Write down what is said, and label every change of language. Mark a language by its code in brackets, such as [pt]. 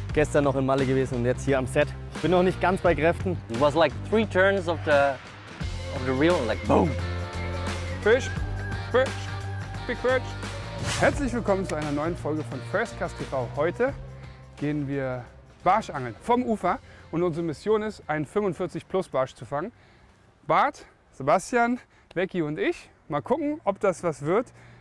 [de] Gestern noch in Malle gewesen und jetzt hier am Set. Ich bin noch nicht ganz bei Kräften. [en] It was like three turns of the reel, like boom. [de] Fisch, Fisch, Big Fisch. Herzlich willkommen zu einer neuen Folge von First Cast TV. Heute gehen wir Barsch angeln vom Ufer und unsere Mission ist, einen 45-plus Barsch zu fangen. Bart, Sebastian, Becky und ich, mal gucken, ob das was wird.